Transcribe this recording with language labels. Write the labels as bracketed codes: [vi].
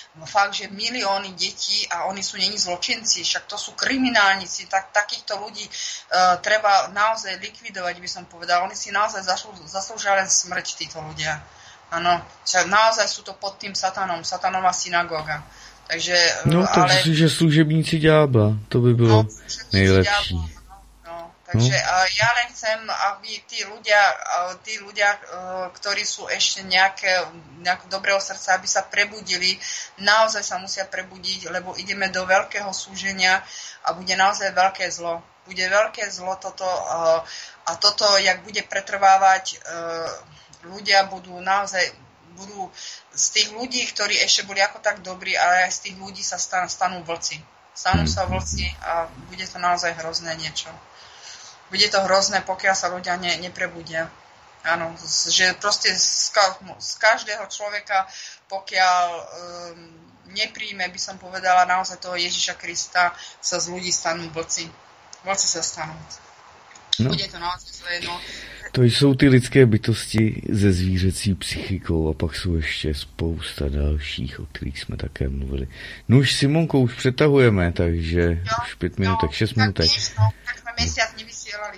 [sk] Fakt, že milióny detí a oni sú neni zločinci. Však to sú kriminálnici. Takýchto ľudí treba naozaj likvidovať, by som povedal. Oni si naozaj zaslúžia len smrť, títo ľudia. Áno. Však naozaj sú to pod tým satanom. Satanová synagóga. Takže, no, to ale... [cs] myslím, že služebníci ďábla, to by bylo no, nejlepší. [sk] No, takže no? Já len chcem, aby tí ľudia, ktorí sú ešte nejaké dobrého srdca, aby sa prebudili, naozaj sa musia prebudiť, lebo ideme do veľkého súženia a bude naozaj veľké zlo. Bude veľké zlo toto a toto, jak bude pretrvávať, ľudia budú naozaj... budú z tých ľudí, ktorí ešte boli ako tak dobrí, ale aj z tých ľudí sa stanú vlci. Stanú sa vlci a bude to naozaj hrozné niečo. Bude to hrozné, pokiaľ sa ľudia neprebudia. Áno, že proste z každého človeka, pokiaľ nepríjme, by som povedala, naozaj toho Ježiša Krista, sa z ľudí stanú vlci. Vlci sa stanú. No. Bude to naozaj zle, no. [cs] To jsou ty lidské bytosti se zvířecí psychikou a pak jsou ještě spousta dalších, o kterých jsme také mluvili. No už Simonko, už přetahujeme, takže jo, už pět minut, tak šest minut. Tak jsme měsíc nevysílali.